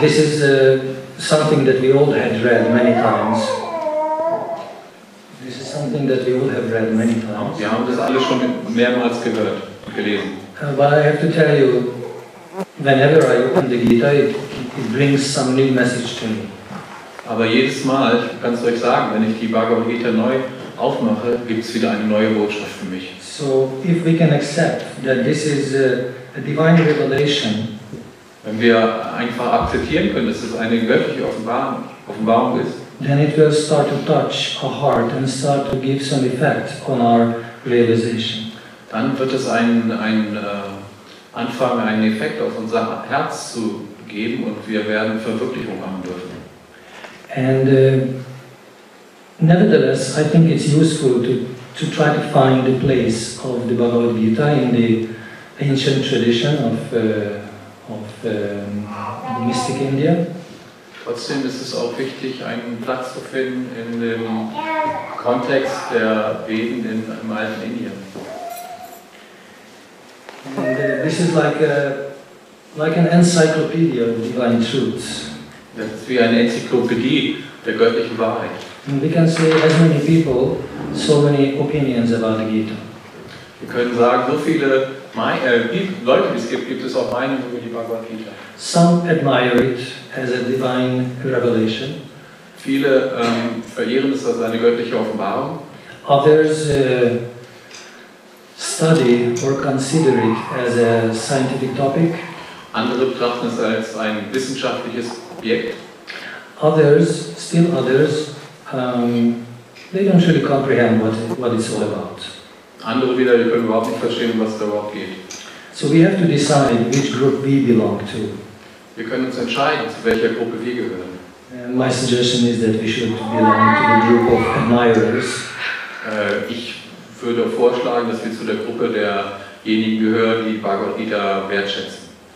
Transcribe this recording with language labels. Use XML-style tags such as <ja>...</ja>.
<en>This is something that we all had read many times. This is something that we all have read many times.</en> <de>Wir haben das alle schon mehrmals gehört und gelesen.</de> <en>But I have to tell you, whenever I open the Gita, it brings some new message to me.</en> <de>Aber jedes Mal, kannst du euch sagen, wenn ich die Bhagavad Gita neu aufmache, gibt es wieder eine neue Botschaft für mich.</de> <en>So, if we can accept that this is a divine revelation,</en> <de>wenn wir einfach akzeptieren können, dass es eine göttliche Offenbarung ist,</de> <en>then it will start to touch our heart and start to give some effect on our realization.</en> <de>Dann wird es anfangen, einen Effekt auf unser Herz zu geben, und wir werden Verwirklichung haben dürfen.</de> <en>And nevertheless, I think it's useful to try to find the place of the Bhagavad Gita in the ancient tradition of mystic India.</en> <de>Trotzdem ist es auch wichtig, einen Platz zu finden in dem Kontext der Veden im alten Indien.</de> <en>And this is like an encyclopedia of divine truths.</en> <de>Das ist wie eine Enzyklopädie der göttlichen Wahrheit.</de> <en>And we can say as many people, so many opinions about the Gita.</en> <de>Wir können sagen, so viele Leute, die es gibt es auch Meinungen über die Bhagavad Gita.</de> <en>Some admire it as a divine revelation.</en> <de>Viele verehren es als eine göttliche Offenbarung.</de> <en>Others study or consider it as a scientific topic.</en> <de>Andere betrachten es als ein wissenschaftliches Objekt.</de> <en>Others, still others, they don't really comprehend what it's all about.</en> <de>Andere wieder, die können überhaupt nicht verstehen, was da überhaupt geht.</de> <en>So we have to decide which group we belong to.</en> <de>Wir können uns entscheiden, zu welcher Gruppe wir gehören.</de> <en>And my suggestion is that we should belong to the group of admirers.</en> <de>Ich würde vorschlagen, dass wir zu der Gruppe derjenigen gehören, die Bhagavad Gita wertschätzen.</de>